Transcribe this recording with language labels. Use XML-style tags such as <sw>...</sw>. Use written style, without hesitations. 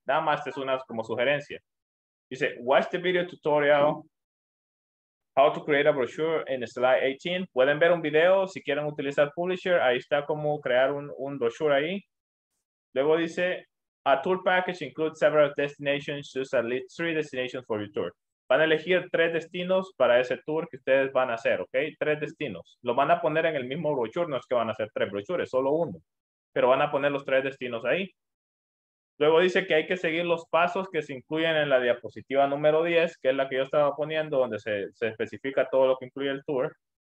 <es>Nada más es una como sugerencia. Dice,</es> <en>watch the video tutorial, how to create a brochure in slide 18.</en> <es>Pueden ver un video si quieren utilizar Publisher. Ahí está cómo crear un brochure ahí. Luego dice,</es> <en>a tour package includes several destinations, choose at least three destinations for your tour.</en> <es>Van a elegir tres destinos para ese tour que ustedes van a hacer, ¿ok? Tres destinos. Lo van a poner en el mismo brochure, no es que van a hacer tres brochures, solo uno. Pero van a poner los tres destinos ahí. Luego dice que hay que seguir los pasos que se incluyen en la diapositiva número 10, que es la que yo estaba poniendo, donde se especifica todo lo que incluye el tour.</es>